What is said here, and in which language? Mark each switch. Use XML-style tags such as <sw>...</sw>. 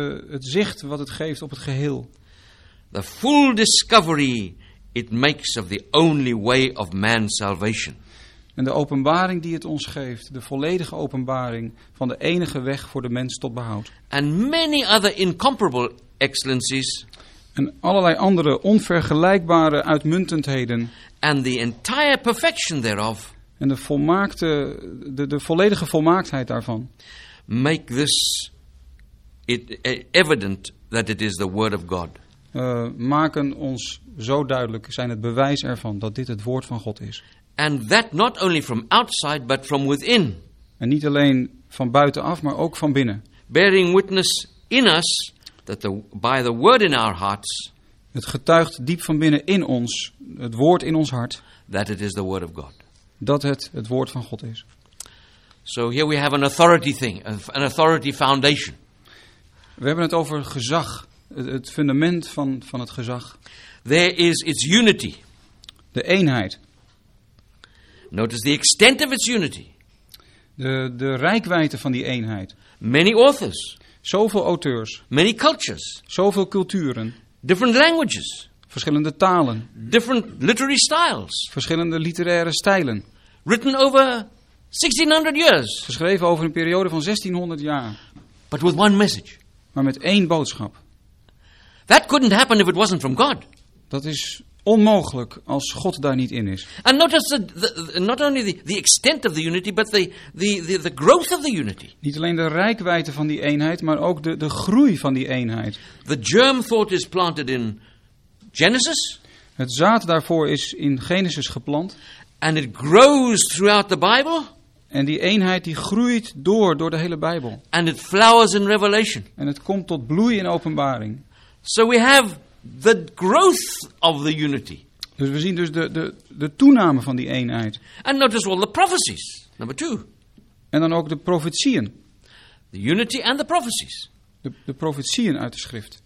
<nl>Het zicht wat het geeft op het geheel.</nl> <en>The full discovery it makes of the only way of man's salvation.</en> <nl>En de openbaring die het ons geeft, de volledige openbaring van de enige weg voor de mens tot behoud.</nl> <en>And many other incomparable excellencies.</en> <nl>En allerlei andere onvergelijkbare uitmuntendheden.</nl> <en>And the entire perfection thereof.</en> <nl>En de volledige volmaaktheid daarvan.</nl> <en>Make this evident that it is the word of God.</en> <nl>Maken ons zo duidelijk, zijn het bewijs ervan dat dit het woord van God is.</nl> <en>And that not only from outside, but from within.</en> <nl>En niet alleen van buitenaf, maar ook van binnen.</nl> <en>Bearing witness in us that by the word in our hearts.</en> <nl>Het getuigt diep van binnen in ons, het woord in ons hart.</nl> <en>That it is the word of God.</en> <nl>Dat het woord van God is.</nl> <en>So here we have an authority thing, an authority foundation.</en> <nl>We hebben het over gezag. Het fundament van het gezag.</nl> <en>There is its unity.</en> <nl>De eenheid.</nl> <en>Notice the extent of its unity.</en> <nl>De rijkwijde van die eenheid.</nl> <en>Many authors.</en> <nl>Zoveel auteurs.</nl> <en>Many cultures.</en> <nl>Zoveel culturen.</nl> <en>Different languages.</en> <nl>Verschillende talen.</nl> <en>Different literary styles.</en> <nl>Verschillende literaire stijlen.</nl> <en>Written over 1600 years.</en> <nl>Geschreven over een periode van 1600 jaar.</nl> <en>But with one message.</en> <nl>Maar met één boodschap.</nl> <en>That couldn't happen if it wasn't from God.</en> <nl>Dat is onmogelijk als God daar niet in is.</nl> <en>And notice not only the extent of the unity, but the growth of the unity.</en> <nl>Niet alleen de rijkwijde van die eenheid, maar ook de groei van die eenheid.</nl> <en>The germ thought is planted in Genesis.</en> <nl>Het zaad daarvoor is in Genesis geplant.</nl> <en>And it grows throughout the Bible.</en> <nl>En die eenheid die groeit door de hele Bijbel.</nl> <en>And it flowers in Revelation.</en> <nl>En het komt tot bloei in Openbaring.</nl> <en>So we have the growth of the unity.</en> <nl>Dus we zien dus de toename van die eenheid.</nl> <en>And notice all the prophecies, number two.</en> <nl>En dan ook de profetieën.</nl> <en>The unity and the prophecies.</en> <nl>De profetieën uit de schrift.</nl>